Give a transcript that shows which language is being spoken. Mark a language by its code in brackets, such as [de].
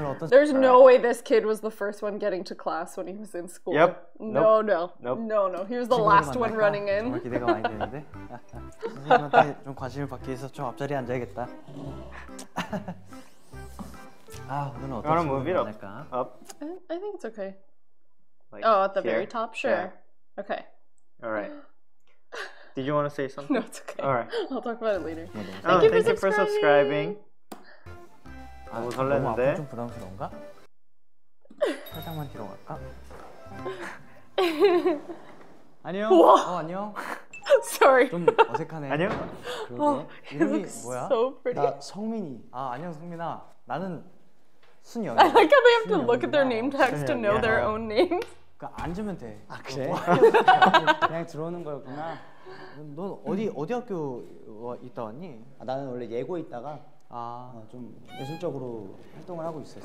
[en] There's no way this kid was the first one getting to class when he was in school. Yep. No. He was the last one running in. [ko] 정말 기대가 많이 되는데. 선생님한테 좀 관심을 받기 위해서 좀 앞자리에 앉아야겠다. 아, 오늘은 어떤 친구가 만날까? [en] I think it's okay. Like, oh, at the very top? Sure. Yeah. Okay. All right. Did you want to say something? No, it's okay. All right. I'll talk about it later. Thank you for subscribing. [ko] 아, 너무 설레는데? 너무 좀 부담스러운가? 살짝만 뒤로 갈까? 안녕! 우와. 안녕! [en] Sorry. [ko] 좀 어색하네. 안녕? 그러게. 이름이 뭐야? [en] So pretty. [ko] 나 성민이. 아, 안녕 성민아. 나는 순영이. [en] I like how they have to look at their name tags to know their own names. [ko] 그러니까 앉으면 돼. 아, 그래? 그냥 들어오는 거였구나. 넌 어디 학교 있다 왔니? 아, 나는 원래 예고 있다가 아, 좀 예술적으로 활동을 하고 있어요.